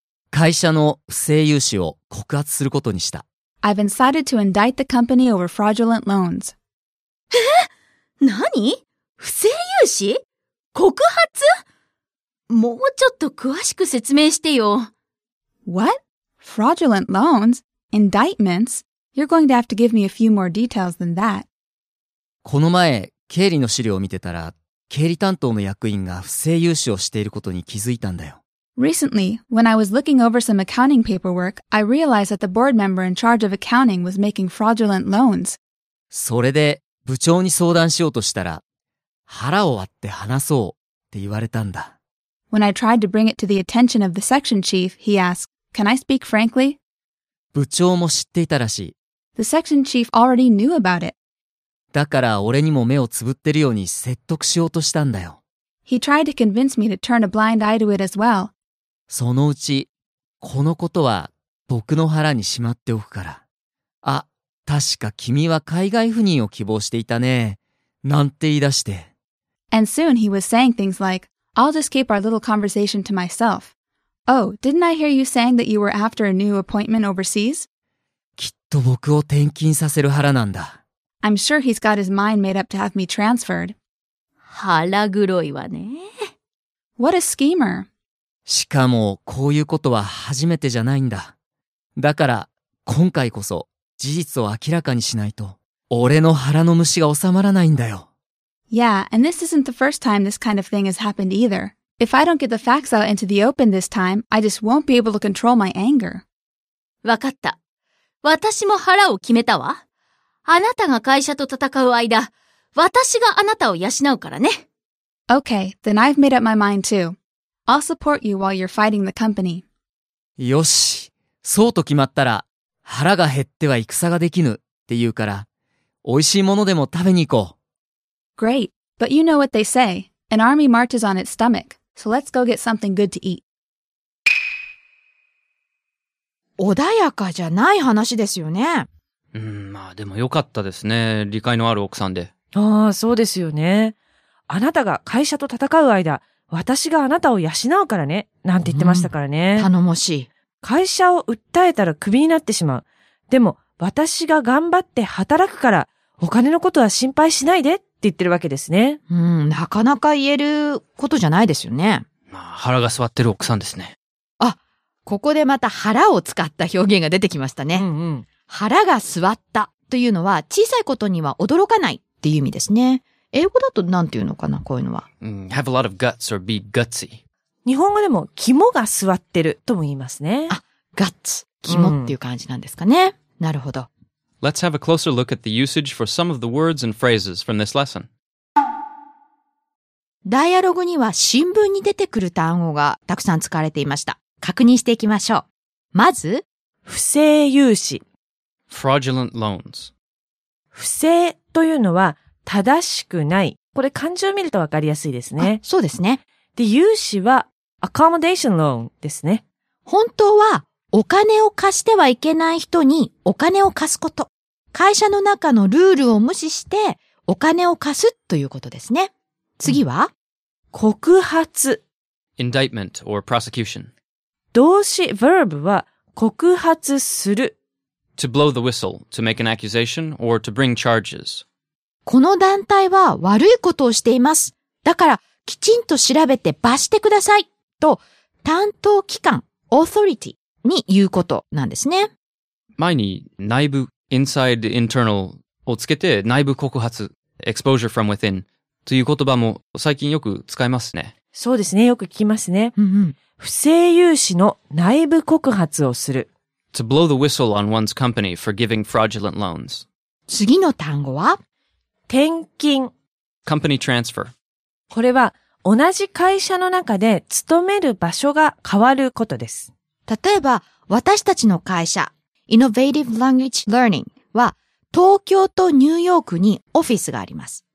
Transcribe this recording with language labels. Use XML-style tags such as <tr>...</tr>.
<ja>会社の不正融資を告発することにした。</ja> <en>I've decided to indict the company over fraudulent loans.</en> <ja>え?何?不正融資?告発? もうちょっと詳しく説明してよ。</ja> <en>What? Fraudulent loans? Indictments? You're going to have to give me a few more details than that.</en> <ja>この前、経理の資料を見てたら、経理担当の役員が不正融資をしていることに気づいたんだよ。</ja> <en>Recently, when I was looking over some accounting paperwork, I realized that the board member in charge of accounting was making fraudulent loans.</en> <ja>それで、部長に相談しようとしたら、腹を割って話そうって言われたんだ。</ja> <en>When I tried to bring it to the attention of the section chief, he asked, "Can I speak frankly?"</en> <ja>部長も知っていたらしい。</ja> <en>The section chief already knew about it.</en> <ja>だから俺にも目をつぶってるように説得しようとしたんだよ。</ja> <en>He tried to convince me to turn a blind eye to it as well.</en> <ja>そのうち、このことは僕の腹にしまっておくから。あ、確か君は海外赴任を希望していたね。なんて言い出して。</ja> <en>And soon he was saying things like, I'll just keep our little conversation to myself. Oh, didn't I hear you saying that you were after a new appointment overseas?</en> <ja>きっと僕を転勤させる腹なんだ。</ja> <en>I'm sure he's got his mind made up to have me transferred.</en> <ja>腹黒いわね。</ja> <en>What a schemer.</en> <ja>しかもこういうことは初めてじゃないんだ。だから今回こそ事実を明らかにしないと、俺の腹の虫が収まらないんだよ。</ja> <en>Yeah, and this isn't the first time this kind of thing has happened either. If I don't get the facts out into the open this time, I just won't be able to control my anger.</en> <ja>わかった。私も腹を決めたわ。あなたが会社と戦う間、私があなたを養うからね。</ja> <en>Okay, then I've made up my mind too. I'll support you while you're fighting the company.</en> <ja>よし、そうと決まったら、腹が減っては戦ができぬって言うから、美味しいものでも食べに行こう。</ja> <en>Great, but you know what they say. An army marches on its stomach, so let's go get something good to eat.</en> <ja>穏やかじゃない話ですよね。まあでもよかったですね。理解のある奥さんで。ああ、そうですよね。あなたが会社と戦う間、私があなたを養うからね、なんて言ってましたからね。頼もしい。会社を訴えたらクビになってしまう。でも私が頑張って働くから、お金のことは心配しないでって言ってるわけですね。なかなか言えることじゃないですよね。まあ腹が据わってる奥さんですね。あ、ここでまた腹を使った表現が出てきましたね。腹が据わったというのは、小さいことには驚かないっていう意味ですね。英語だとなんていうのかな、こういうのは。</ja> <en>Have a lot of guts or be gutsy.</en> <ja>日本語でも肝が据わってるとも言いますね。あ、guts、肝っていう感じなんですかね。なるほど。</ja> <en>Let's have a closer look at the usage for some of the words and phrases from this lesson.</en> <ja>ダイアログには新聞に出てくる単語がたくさん使われていました。確認していきましょう。まず、不正融資。</ja> <en>Fraudulent loans.</en> <ja>不正というのは正しくない。これ漢字を見るとわかりやすいですね。そうですね。で、融資は</ja> <en>accommodation loan</en> <ja>ですね。本当はお金を貸してはいけない人にお金を貸すこと。会社の中のルールを無視してお金を貸すということですね。次は、告発。</ja> <en>Indictment or prosecution.</en> <ja>動詞 verb は告発する。</ja> <en>To blow the whistle, to make an accusation, or to bring charges.</en> <ja>この団体は悪いことをしています。だから、きちんと調べて罰してください。と、担当機関、authority に言うことなんですね。前に内部、</ja> <en>inside, internal</en> <ja>をつけて内部告発、</ja> <en>exposure from within</en> <ja>という言葉も最近よく使いますね。そうですね。よく聞きますね。不正融資の内部告発をする。</ja> <en>To blow the whistle on one's company for giving fraudulent loans.</en> <ja>次の単語は、転勤。</ja> <en>Company transfer.</en> <ja>これは同じ会社の中で勤める場所が変わることです。例えば、私たちの会社、Innovative Language Learning は、東京とニューヨークにオフィスがあります。</ja>